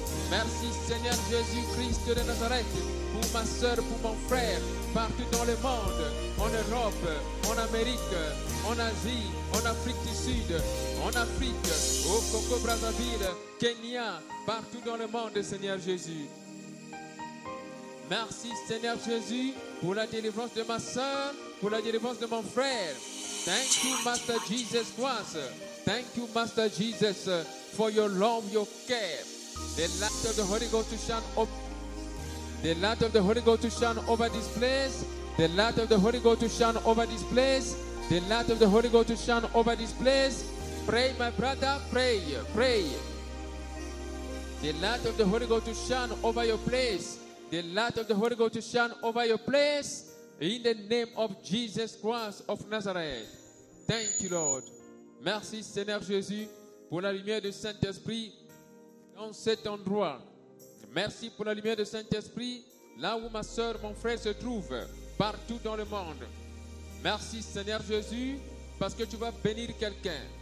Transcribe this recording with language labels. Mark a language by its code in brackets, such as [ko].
[fr] Merci Seigneur Jésus-Christ de Nazareth pour ma soeur, pour mon frère, partout dans le monde, en Europe, en Amérique, en Asie, en Afrique du Sud, en Afrique, au Congo Brazzaville, Kenya, partout dans le monde, Seigneur Jésus. Merci Seigneur Jésus pour la délivrance de ma soeur, pour la délivrance de mon frère. [en] Thank you, Master Jesus Christ. Thank you, Master Jesus, for your love, your care. The light of the Holy Ghost to shine over. The light of the Holy Ghost to shine over this place. The light of the Holy Ghost to shine over this place. The light of the Holy Ghost to shine over this place. Pray, my brother, pray, pray. The light of the Holy Ghost to shine over your place. The light of the Holy Ghost to shine over your place. In the name of Jesus Christ of Nazareth. Thank you, Lord. [fr] Merci, Seigneur Jésus, pour la lumière du Saint-Esprit dans cet endroit. Merci pour la lumière du Saint-Esprit là où ma soeur, mon frère se trouve, partout dans le monde. Merci, Seigneur Jésus, parce que tu vas bénir quelqu'un.